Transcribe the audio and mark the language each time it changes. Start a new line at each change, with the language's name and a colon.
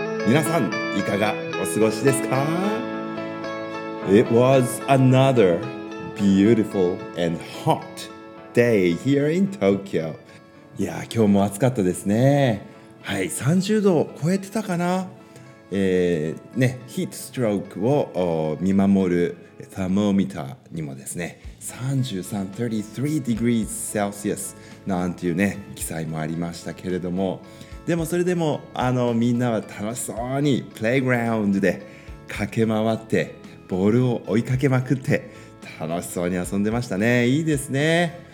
Japanese: 皆さん、いかがお過ごしですか?
English: It was another beautiful and hot day here in Tokyo.
Japanese: いや、今日も暑かったですね。はい、30度超えてたかな? ね、ヒートストロークを見守るサーモミターにもですね 33°C なんていうね記載もありましたけれども、でもそれでもみんなは楽しそうにプレイグラウンドで駆け回ってボールを追いかけまくって楽しそうに遊んでましたね。いいですね。